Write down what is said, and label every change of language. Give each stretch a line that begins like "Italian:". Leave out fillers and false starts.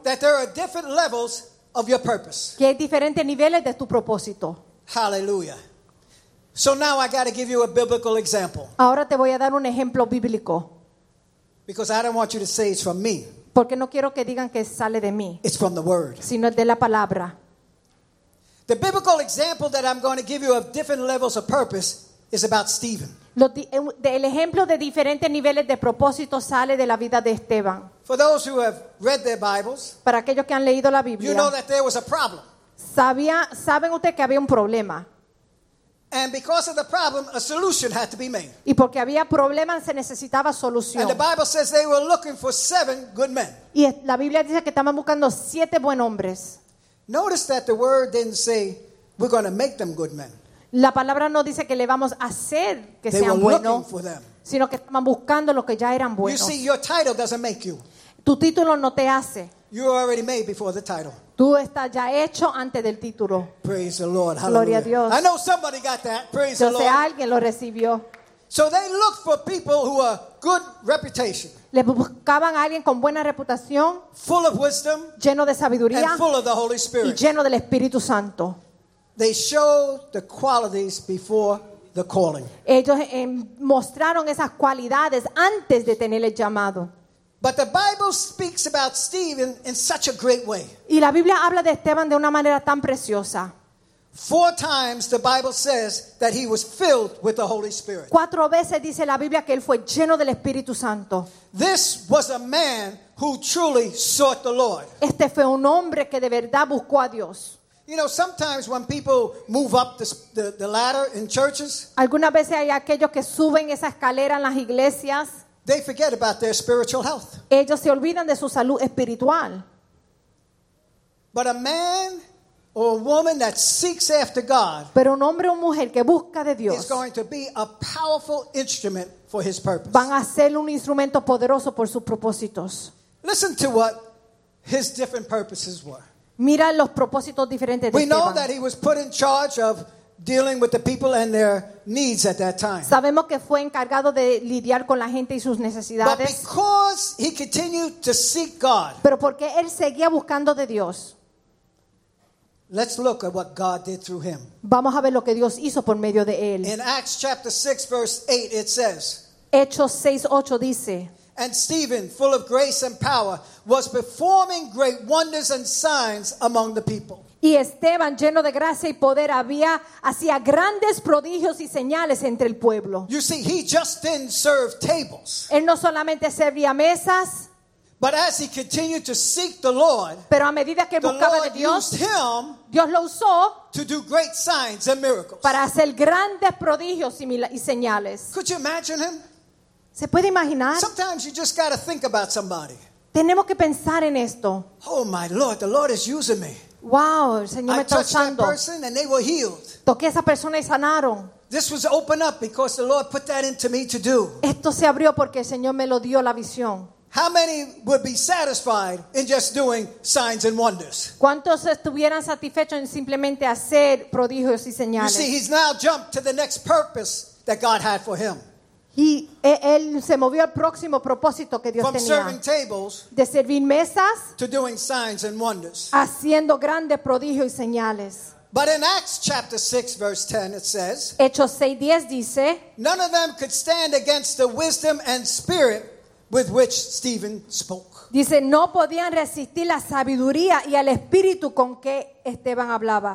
English: that there are different levels of your purpose.
Spanish: Que hay diferentes niveles de tu propósito.
English: Hallelujah. So now I got to give you a biblical example.
Spanish: Ahora te voy a dar un ejemplo bíblico.
English: Because I don't want you to say it's from me.
Spanish: Porque no quiero que digan que sale de mí.
English: It's from the word.
Spanish: Sino de la palabra.
English: The biblical example that I'm going to give you of different levels of purpose is about Stephen.
Spanish: El ejemplo de diferentes niveles de propósito sale de la vida de Esteban.
English: For those who have read their Bibles,
Spanish: para aquellos que han leído la Biblia,
English: you know that there was a problem.
Spanish: Saben ustedes que había un problema.
English: And because of the problem, a solution had to be made.
Spanish: Y porque había problemas, se necesitaba solución.
English: And the Bible says they were looking for seven good men.
Spanish: Y la Biblia dice que estaban buscando siete buen hombres.
English: Notice that the word didn't say we're going to make them good men.
Spanish: La palabra no dice que le vamos a hacer que
English: they
Spanish: sean buenos,
English: for them.
Spanish: Sino que estaban buscando los que ya eran buenos.
English: You see, your title doesn't make you.
Spanish: Tu título no te hace.
English: You're already made before the title.
Spanish: Tú estás ya hecho antes del título.
English: Praise the Lord.
Spanish: Gloria a Dios.
English: I know somebody got that. Praise
Spanish: yo
English: the Lord.
Spanish: Sé, alguien lo recibió.
English: So they looked for people who are good reputation.
Spanish: Le buscaban a alguien con buena reputación.
English: Full of wisdom.
Spanish: Lleno de sabiduría.
English: And full of the Holy Spirit.
Spanish: Y lleno del Espíritu Santo.
English: They showed the qualities before the calling.
Spanish: Ellos mostraron esas cualidades antes de tener el llamado.
English: But the Bible speaks about Stephen in such a great way.
Spanish: Y la Biblia habla de Esteban de una manera tan preciosa.
English: 4 times the Bible says that he was filled with the Holy Spirit.
Spanish: 4 veces dice la Biblia que él fue lleno del Espíritu Santo.
English: This was a man who truly sought the Lord.
Spanish: Este fue un hombre que de verdad buscó a Dios.
English: You know, sometimes when people move up the ladder in churches,
Spanish: algunas veces hay aquellos que suben esa escalera en las iglesias.
English: They forget about their spiritual health.
Spanish: Ellos se olvidan de su salud espiritual.
English: But a man or a woman that seeks after God,
Spanish: pero un hombre o mujer que busca de Dios,
English: is going to be a powerful instrument for his purpose.
Spanish: Van a ser un instrumento poderoso por sus propósitos.
English: Listen to what his different purposes were.
Spanish: Mira los propósitos diferentes de Esteban.
English: We know that he was put in charge of dealing with the people and their needs at that time.
Spanish: Sabemos que fue encargado de lidiar con la gente y sus necesidades.
English: But because he continued to seek God.
Spanish: Pero porque él seguía buscando de Dios.
English: Let's look at what God did through him.
Spanish: Vamos a ver lo que Dios hizo por medio de él.
English: In Acts chapter 6 verse 8 it says.
Spanish: Hechos 6:8 dice.
English: And Stephen, full of grace and power, was performing great wonders and signs among the people.
Spanish: Y Esteban, lleno de gracia y poder, hacía grandes prodigios y señales entre el pueblo.
English: You see, he just didn't serve tables.
Spanish: Él no solamente servía mesas.
English: But as he continued to seek the Lord,
Spanish: pero a medida que buscaba de Dios, Dios lo usó
English: to do great signs and miracles.
Spanish: Para hacer grandes prodigios y señales.
English: Could you imagine him?
Spanish: ¿Se puede imaginar?
English: Sometimes you just got to think about somebody.
Spanish: Tenemos que pensar en esto.
English: Oh my Lord, the Lord is using me.
Spanish: Wow, el Señor
English: I
Spanish: me está
English: touched
Spanish: usando.
English: That person and they were healed.
Spanish: Toqué a esa persona y sanaron.
English: This was opened up because the Lord put that into me to do.
Spanish: Esto se abrió porque el Señor me lo dio la visión.
English: How many would be satisfied in just doing signs and wonders?
Spanish: ¿Cuántos estuvieran satisfechos en simplemente hacer prodigios y señales?
English: You see, he's now jumped to the next purpose that God had for him.
Spanish: Y él se movió al próximo propósito que Dios
English: from
Spanish: tenía
English: serving tables,
Spanish: de servir mesas
English: to doing signs and wonders.
Spanish: Haciendo grandes prodigios y señales.
English: But in Acts chapter 6 verse 10 it says,
Spanish: Hechos 6:10 dice,
English: none of them could stand against the wisdom and spirit with which Stephen spoke.
Spanish: Dice, no podían resistir la sabiduría y el espíritu con que Esteban hablaba.